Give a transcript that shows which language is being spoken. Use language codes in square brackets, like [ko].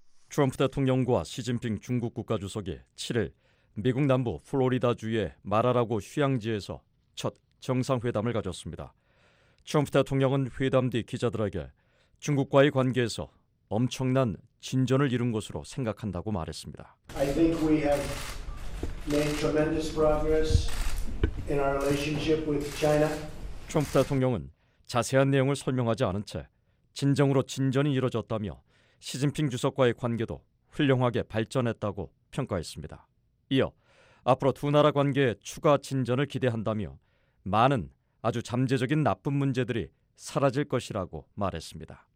[ko] 트럼프 대통령과 시진핑 중국 국가주석이 7일 미국 남부 플로리다주의 마라라고 휴양지에서 첫 정상회담을 가졌습니다. 트럼프 대통령은 회담 뒤 기자들에게 중국과의 관계에서 엄청난 진전을 이룬 것으로 생각한다고 말했습니다. [en] I think we have made tremendous progress in our relationship with China. [ko] 트럼프 대통령은 자세한 내용을 설명하지 않은 채 진정으로 진전이 이루어졌다며 시진핑 주석과의 관계도 훌륭하게 발전했다고 평가했습니다. 이어 앞으로 두 나라 관계에 추가 진전을 기대한다며 많은 아주 잠재적인 나쁜 문제들이 사라질 것이라고 말했습니다.